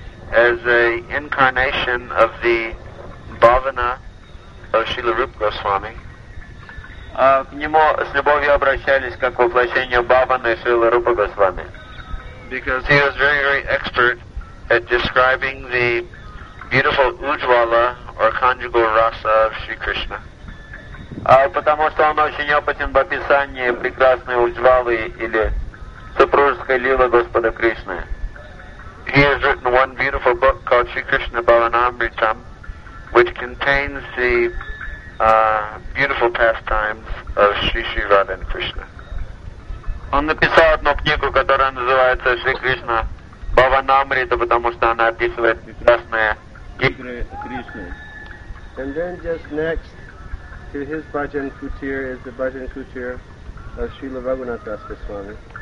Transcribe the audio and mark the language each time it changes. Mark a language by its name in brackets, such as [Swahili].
[English] as a incarnation of the Bhavana of Srila Rupa Goswami. [Russian] К нему с любовью обращались как воплощение Бхаваны Шрилы Рупа Госвами. [English] Because he was very, very expert at describing the beautiful Ujwala or conjugal rasa of Sri Krishna. [Russian] Потому что он очень опытен в описании прекрасной Уджвалы или супружеской лилы Господа Кришны. [English] He has written one beautiful book called Sri Krishna Bhavanamritam, which contains the beautiful pastimes of Sri Sri Radha and Krishna. [Russian] Он написал одну книгу, которая называется Шри Кришна Бхаванамрита, потому что она описывает прекрасные игры Кришны. [English] And then just next to his Bhajan Kutir is the Bhajan Kutir of Srila Raghunath Das Goswami.